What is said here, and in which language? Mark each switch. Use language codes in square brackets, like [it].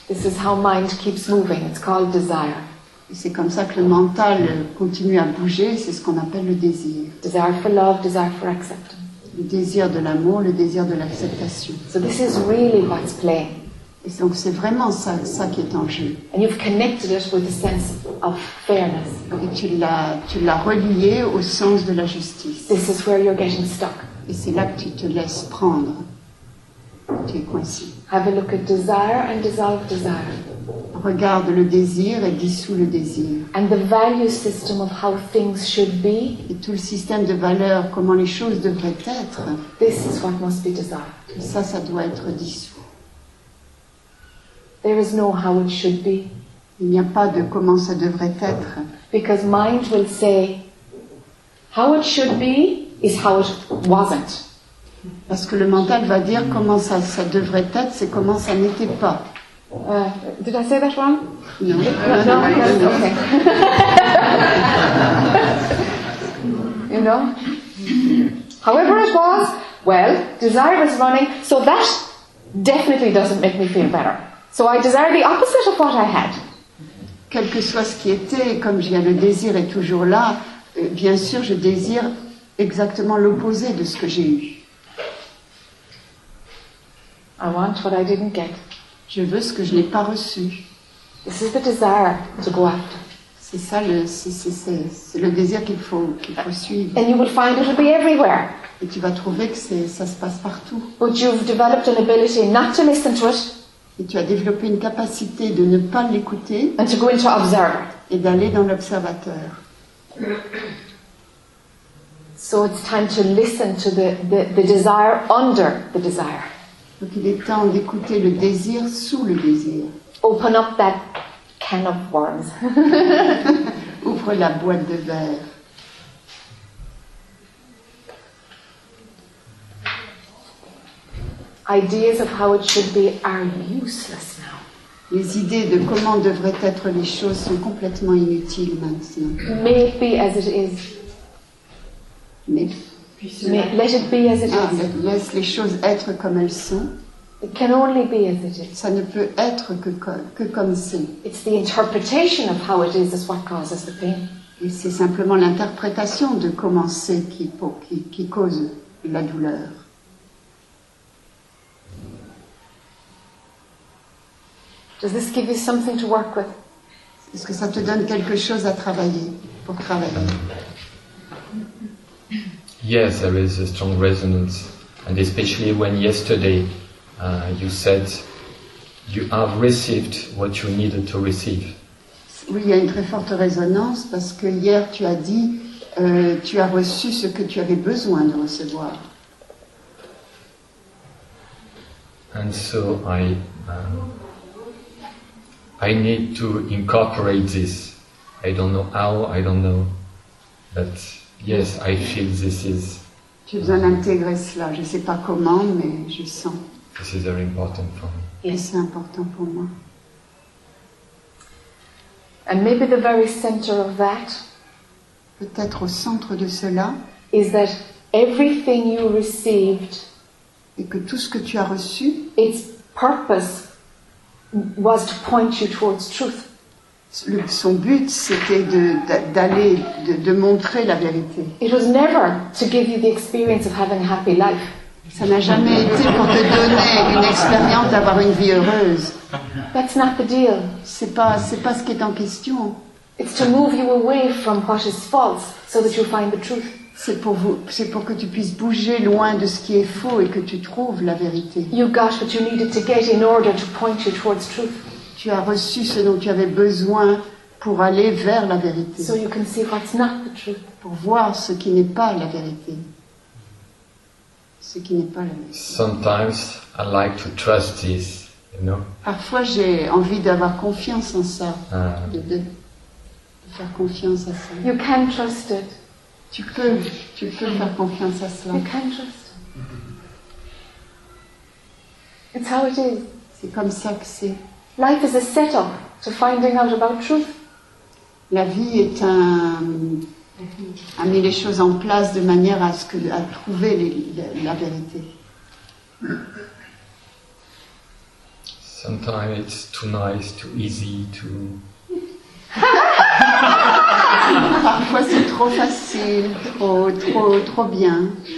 [en] This is how mind keeps moving. It's called desire. [fr] Et c'est comme ça que le mental continue à bouger. C'est ce qu'on appelle le désir. [en] Desire for love, desire for acceptance. [fr] Le désir de l'amour, le désir de l'acceptation. [en] So this is really what's playing. [fr] Et donc c'est vraiment ça qui est en jeu. [en] And you've connected it with a sense of fairness. [fr] Et tu l'as relié au sens de la justice. [en] This is where you're getting stuck. [fr] Et c'est là que tu te laisses prendre. Tu es coincé. [en] Have a look at desire and dissolve desire. [fr] Regarde le désir et dissous le désir. [en] And the value system of how things should be. [fr] Et tout le système de valeurs, comment les choses devraient être. [en] This is what must be dissolved. [fr] Et ça doit être dissous. [en] There is no how it should be. [fr] Il n'y a pas de comment ça devrait être. [en] Because mind will say, how it should be is how it wasn't. [fr] Parce que le mental va dire comment ça devrait être, c'est comment ça n'était pas. [en] Did I say that wrong? No. No. Okay. You know. However it was, well, desire is running, so that definitely doesn't make me feel better. So I desire the opposite of what I had. [fr] Quel que soit ce qui était, comme j'ai le désir est toujours là, bien sûr je désire exactement l'opposé de ce que j'ai eu. [en] I want what I didn't get. [fr] Je veux ce que je n'ai pas reçu. [en] This is the desire to go after. [fr] C'est ça c'est le désir qu'il faut suivre. [en] And you will find it will be everywhere. [fr] Et tu vas trouver que ça se passe partout. [en] But you've developed an ability not to listen to it. [fr] Et tu as développé une capacité de ne pas l'écouter [en] and to go into observer. [fr] Et d'aller dans l'observateur. [en] So it's time to listen to the desire under the desire. [fr] Donc il est temps d'écouter le désir sous le désir. [en] Open up that can of worms. [fr] Ouvre la boîte de verre. [en] Ideas of how it should be are useless now. [fr] Les idées de comment devraient être les choses sont complètement inutiles maintenant. [en] May it be as it is. [fr] Mais [en] let it be as it is. [fr] Laisse les choses être comme elles sont. [en] It can only be as it is. [fr] Ça ne peut être que comme c'est. [en] It's the interpretation of how it is what causes the pain. [fr] Et c'est simplement l'interprétation de comment c'est qui cause la douleur. [en] Does this give you something to work with? [fr] Est-ce que ça te donne quelque chose à travailler, pour travailler? [en] Yes, there is a strong resonance, and especially when yesterday you said you have received what you needed to receive. [fr] Oui, il y a une très forte résonance parce que hier tu as dit tu as reçu ce que tu avais besoin de recevoir. [en] And so I need to incorporate this. I don't know how, I don't know. But yes, I feel this is. [fr] J'ai besoin d'intégrer cela. Je ne sais pas comment, mais je sens. [en] This is very important for me. [fr] Et c'est important pour moi. [en] And maybe the very center of that. [fr] Peut-être au centre de cela. [en] Is that everything you received. [fr] Et que tout ce que tu as reçu. [en] Its purpose. Was to point you towards truth. [fr] Son but, c'était de montrer la vérité. [en] It was never to give you the experience of having a happy life. [fr] Ça n'a jamais été pour te donner une expérience d'avoir une vie heureuse. [en] That's not the deal. [fr] C'est pas ce qui est en question. [en] It's to move you away from what is false, so that you find the truth. [fr] C'est pour que tu puisses bouger loin de ce qui est faux et que tu trouves la vérité. [en] You got what you needed to get in order to point you towards truth. [fr] Tu as reçu ce dont tu avais besoin pour aller vers la vérité. [en] So you can see what's not the truth. [fr] Pour voir ce qui n'est pas la vérité. Ce qui n'est pas la vérité. [en] Sometimes I like to trust this, you know. [fr] Parfois j'ai envie d'avoir confiance en ça. De faire confiance à ça. [en] You can trust it. [fr] Tu peux faire confiance à cela. [en] You can trust. It's how it is. [fr] C'est comme ça que c'est. [en] Life is a setup to finding out about truth. [fr] La vie est a mis les choses en place de manière à trouver la vérité. [en] Sometimes it's too nice, too easy, too. [fr] Parfois c'est trop facile, trop bien.